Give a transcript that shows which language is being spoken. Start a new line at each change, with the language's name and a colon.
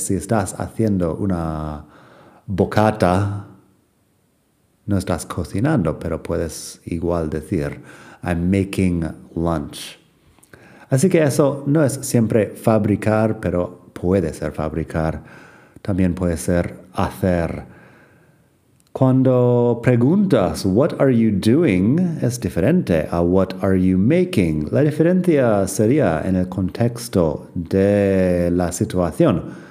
Spanish: Si estás haciendo una bocata, no estás cocinando, pero puedes igual decir,
English: I'm making lunch.
Spanish: Así que eso no es siempre fabricar, pero puede ser fabricar. También puede ser hacer. Cuando preguntas
English: what are you doing
Spanish: es diferente a
English: what are you making.
Spanish: La diferencia sería en el contexto de la situación.